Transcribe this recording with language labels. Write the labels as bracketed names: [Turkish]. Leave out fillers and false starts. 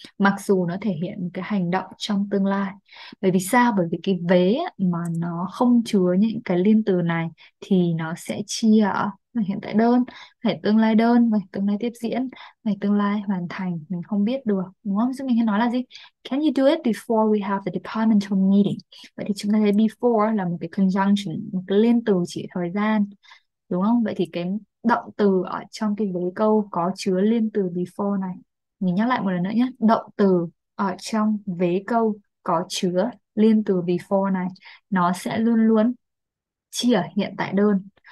[Vietnamese] Mặc dù nó thể hiện cái hành động trong tương lai. Bởi vì sao? Bởi vì cái vế mà nó không chứa những cái liên từ này thì nó sẽ chia ở hiện tại đơn, phải tương lai đơn, phải tương lai tiếp diễn, phải tương lai hoàn thành, mình không biết được, đúng không? Chúng mình hay nói là gì? [English] Can you do it before we have the departmental meeting? [Vietnamese] Vậy thì chúng ta thấy before là một cái conjunction, một cái liên từ chỉ thời gian, đúng không? Vậy thì cái động từ ở trong cái vế câu có chứa liên từ before này, mình nhắc lại một lần nữa nhé, động từ ở trong vế câu có chứa liên từ before này nó sẽ luôn luôn chỉ ở hiện tại đơn.